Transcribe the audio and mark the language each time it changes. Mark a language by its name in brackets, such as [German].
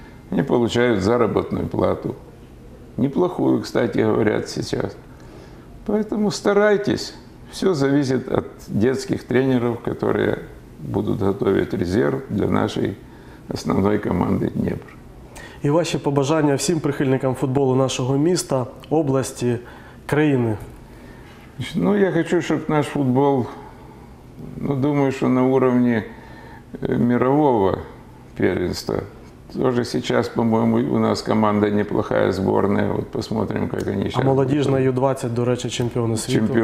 [Russian] Они получают заработную плату. Неплохую, кстати, говорят сейчас. Поэтому старайтесь. Все зависит от детских тренеров, которые будут готовить резерв для нашей основной команды Днепр. [Ukrainian] І ваші побажання всім прихильникам футболу нашого міста, області, країни. Ну, я хочу, щоб наш футбол, ну, думаю, що на рівні [Russian] мирового первенства. Тоже сейчас, по-моему, у нас команда неплохая, сборная. Вот посмотрим, как они сейчас. [Ukrainian] А молодіжна U20, до речі, чемпіони світу.